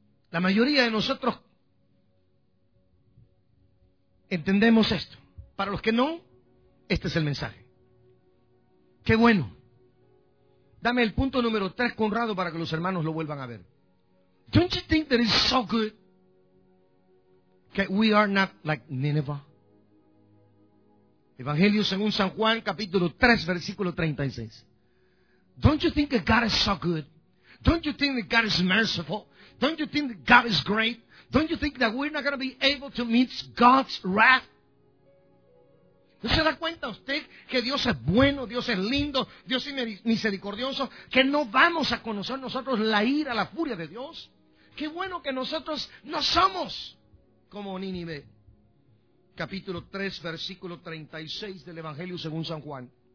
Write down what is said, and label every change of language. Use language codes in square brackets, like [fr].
[es] La mayoría de nosotros entendemos esto. Para los que no, este es el mensaje. ¡Qué bueno! Dame el punto número 3, Conrado, para que los hermanos lo vuelvan a ver. [en] Don't you think that it's so good that we are not like Nineveh? [es] Evangelio según San Juan, capítulo 3, versículo 36. [en] Don't you think that God is so good? Don't you think that God is merciful? Don't you think that God is great? Don't you think that we're not going to be able to meet God's wrath? [es] ¿No se da cuenta usted que Dios es bueno, Dios es lindo, Dios es misericordioso, que no vamos a conocer nosotros la ira, la furia de Dios? ¡Qué bueno que nosotros no somos como Nínive! Capítulo 3, versículo 36 del Evangelio según San Juan.